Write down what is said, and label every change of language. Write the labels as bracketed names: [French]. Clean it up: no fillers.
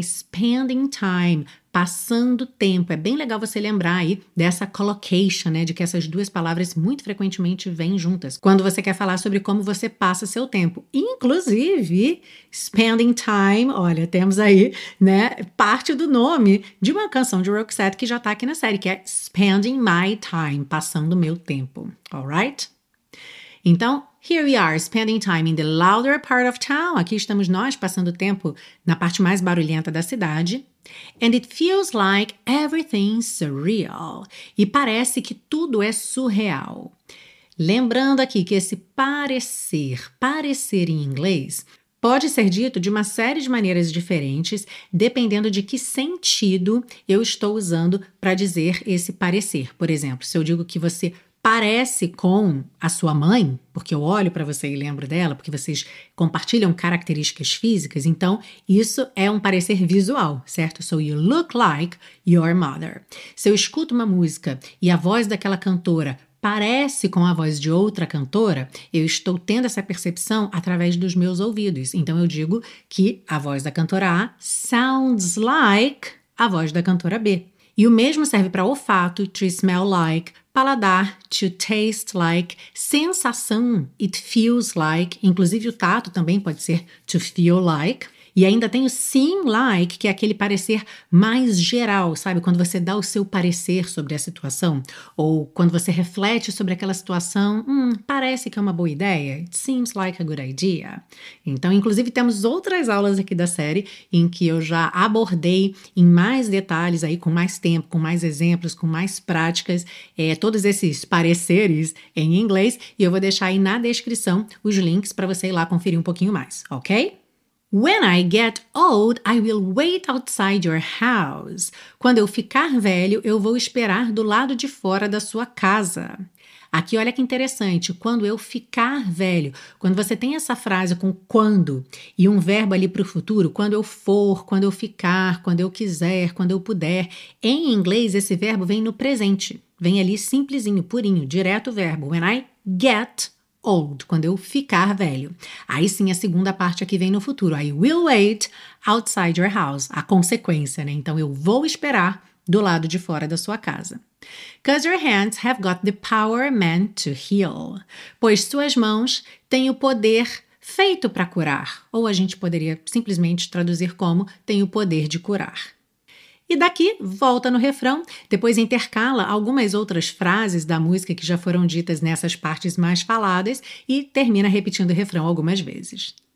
[English] Spending time, [Portuguese] passando tempo. É bem legal você lembrar aí dessa collocation, né? De que essas duas palavras muito frequentemente vêm juntas. Quando você quer falar sobre como você passa seu tempo. Inclusive, [English] spending time, [Portuguese] olha, temos aí, né? Parte do nome de uma canção de Roxette que já tá aqui na série, que é Spending My Time, passando meu tempo. [English] Alright? Então, here we are, spending time in the louder part of town. [Portuguese] Aqui estamos nós, passando tempo na parte mais barulhenta da cidade. [English] And it feels like everything's surreal. [Portuguese] E parece que tudo é surreal. Lembrando aqui que esse parecer em inglês pode ser dito de uma série de maneiras diferentes, dependendo de que sentido eu estou usando para dizer esse parecer. Por exemplo, se eu digo que você parece com a sua mãe, porque eu olho para você e lembro dela, porque vocês compartilham características físicas, então isso é um parecer visual, certo? [English] So you look like your mother. [Portuguese] Se eu escuto uma música e a voz daquela cantora parece com a voz de outra cantora, eu estou tendo essa percepção através dos meus ouvidos. Então eu digo que a voz da cantora A [English] sounds like [Portuguese] a voz da cantora B. E o mesmo serve para olfato, [English] to smell like, [Portuguese] paladar, [English] to taste like, [Portuguese] sensação, [English] it feels like, [Portuguese] inclusive o tato também pode ser [English] to feel like. [Portuguese] E ainda tem o [English] seem like, [Portuguese] que é aquele parecer mais geral, sabe? Quando você dá o seu parecer sobre a situação, ou quando você reflete sobre aquela situação, parece que é uma boa ideia, [English] it seems like a good idea. [Portuguese] Então, inclusive, temos outras aulas aqui da série em que eu já abordei em mais detalhes aí, com mais tempo, com mais exemplos, com mais práticas, todos esses pareceres em inglês, e eu vou deixar aí na descrição os links para você ir lá conferir um pouquinho mais, ok? [English] When I get old, I will wait outside your house. [Portuguese] Quando eu ficar velho, eu vou esperar do lado de fora da sua casa. Aqui, olha que interessante, quando eu ficar velho, quando você tem essa frase com quando e um verbo ali para o futuro, quando eu for, quando eu ficar, quando eu quiser, quando eu puder, em inglês esse verbo vem no presente, vem ali simplesinho, purinho, direto o verbo, [English] when I get old, [Portuguese] quando eu ficar velho. Aí sim, a segunda parte aqui vem no futuro. [English] I will wait outside your house. [Portuguese] A consequência, né? Então, eu vou esperar do lado de fora da sua casa. [English] 'Cause your hands have got the power meant to heal. [Portuguese] Pois suas mãos têm o poder feito para curar. Ou a gente poderia simplesmente traduzir como tem o poder de curar. E daqui, volta no refrão, depois intercala algumas outras frases da música que já foram ditas nessas partes mais faladas e termina repetindo o refrão algumas vezes.